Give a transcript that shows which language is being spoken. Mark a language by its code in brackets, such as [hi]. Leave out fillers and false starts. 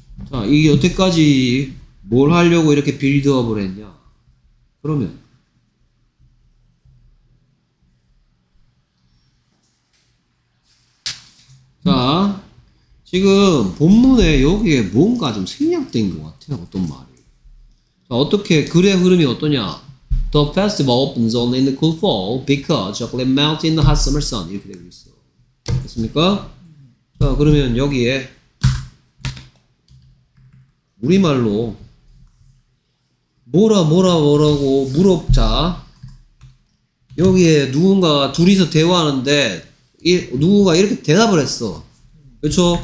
[ko] 자, 이 여태까지 뭘 하려고 이렇게 빌드업을 했냐 그러면 자, 지금 본문에 여기에 뭔가 좀 생략된 것 같아요. 어떤 말이. 자, 어떻게 글의 흐름이 어떠냐. [en] The festival opens only in the cool fall because chocolate melts in the hot summer sun. [ko] 이렇게 되고 있어. 됐습니까? 자, 그러면 여기에 우리말로 뭐라 뭐라 뭐라고 물어보자. 여기에 누군가 둘이서 대화하는데 누군가 이렇게 대답을 했어. 그렇죠?